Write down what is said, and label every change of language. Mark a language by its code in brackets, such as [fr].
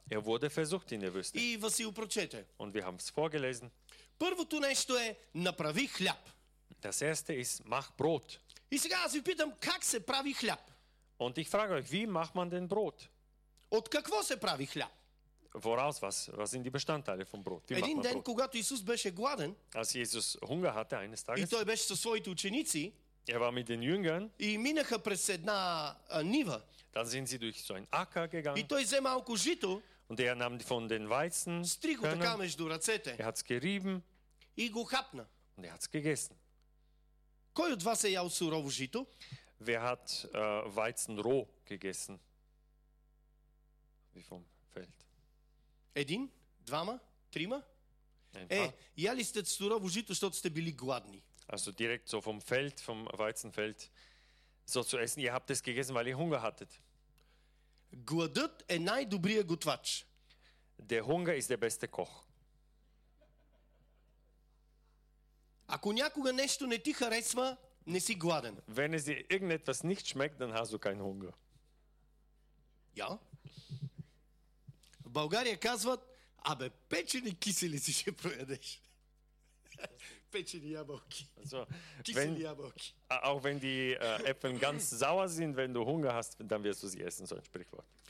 [de] Er wurde versucht in der Wüste. [bg] И Васил прочете. [de] Und wir haben es vorgelesen. [bg] Първото нещо е, направи хляб. [de] Das erste ist, mach Brot. [bg] И сега аз ви питам, как се прави хляб? [de] Und ich frage euch, wie macht man denn Brot? [bg] От какво се прави хляб? [de] Voraus, was sind die Bestandteile vom Brot? Wie macht man Brot? [bg] Jesus беше gladen, [de] als Jesus Hunger hatte eines Tages, [bg] и той беше със своите ученици, [de] er war mit den Jüngern, [bg] и минаха през една, нива, [de] dann sind sie durch so einen Acker gegangen, [bg] и той взе малко жито, [de] und er nahm von den Weizen, [bg] стриго така между ръцете, [de] er hat's gerieben, [bg] и го хапна, [de] und er hat's gegessen. [bg] Кой от вас е ял сурово жито? [de] Wer hat Weizen roh gegessen? Wie vom Feld. [bg] Един, двама, трима. Е, яли сте сурово жито, защото сте били гладни. [de] Also direkt so vom Feld, vom Weizenfeld, so zu essen. Ihr habt es gegessen, weil ihr Hunger hattet. [bg] Гладът е най-добрият готвач. [de] Der Hunger ist der beste Koch. [bg] Ако някога нещо не ти харесва, не си гладен. [de] Wenn es dir irgendetwas nicht schmeckt, dann hast du keinen Hunger. Ja. [bg] България казват, абе, печени киселици ще проядеш. печени ябълки. [de] Also, [bg] кисели ябълки. [de] Auch wenn die Äpfel ganz sauer sind, wenn du Hunger hast, dann wirst du sie essen, so ein Sprichwort.